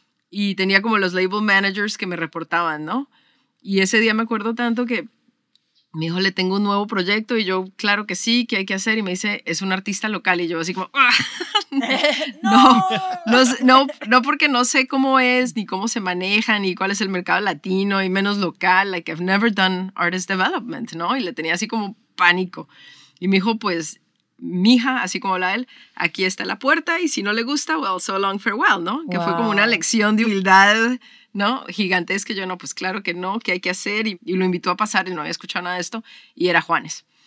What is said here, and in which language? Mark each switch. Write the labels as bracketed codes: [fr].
[es] Y tenía como los label managers que me reportaban, ¿no? Y ese día me acuerdo tanto que me dijo, le tengo un nuevo proyecto. Y yo, claro que sí, ¿qué hay que hacer? Y me dice, es un artista local. Y yo así como, ¡ah! No, porque no sé cómo es, ni cómo se maneja, ni cuál es el mercado latino, y menos local. [en] Like, I've never done artist development, ¿no? [es] Y le tenía así como pánico. Y me dijo, pues, mija, así como habla él, aquí está la puerta, y si no le gusta, [en] well, so long, farewell, [es] ¿no? Que wow. Fue como una lección de humildad, ¿no? Gigantesca. Yo, no, pues claro que no, ¿qué hay que hacer? Y lo invitó a pasar, y no había escuchado nada de esto, y era Juanes.